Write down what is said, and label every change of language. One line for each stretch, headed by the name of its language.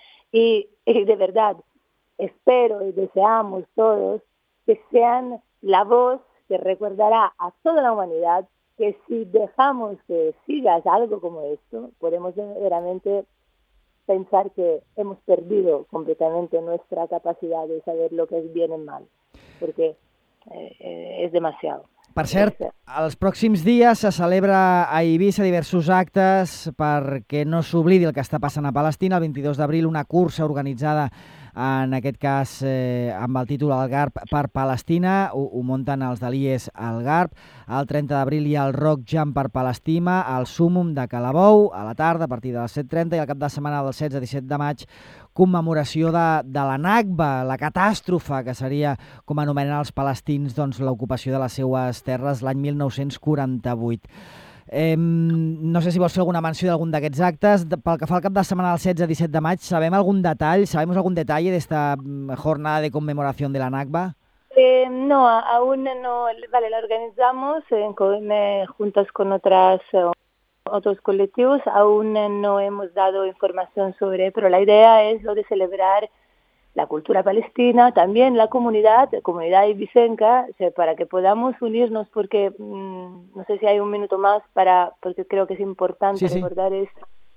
Spanish: Y de verdad, espero y deseamos todos que sean la voz que recordará a toda la humanidad que si dejamos que siga algo como esto, podemos realmente pensar que hemos perdido completamente nuestra capacidad de saber lo que es bien y mal, porque es demasiado.
Catalan: Per cert, els pròxims dies se celebra a Eivissa diversos actes perquè no s'oblidi el que està passant a Palestina. El 22 d'abril, una cursa organitzada, en aquest cas amb el títol Algarb per Palestina, ho munten els de l'IES Algarb. El 30 d'abril hi ha el Rock Jam per Palestina, el Sumum de Calabou, a la tarda, a partir de les 7:30, i el cap de setmana del 16-17 de maig, commemoració de la Nakba, la catàstrofe, que seria com anomenen els palestins doncs, l'ocupació de les seues terres l'any 1948. No sé si vols fer alguna menció d'algun d'aquests actes. Pel que fa al cap de setmana del 16-17 de maig, sabem algun detall? Sabem algun detall d'esta jornada de commemoració de la Nakba?
Spanish: No, aún no. Vale, la organizamos juntas con otros colectivos. Aún no hemos dado información sobre, pero la idea es lo de celebrar la cultura palestina, también la comunidad ibicenca, o sea, para que podamos unirnos, porque no sé si hay un minuto más, porque creo que es importante recordar esto.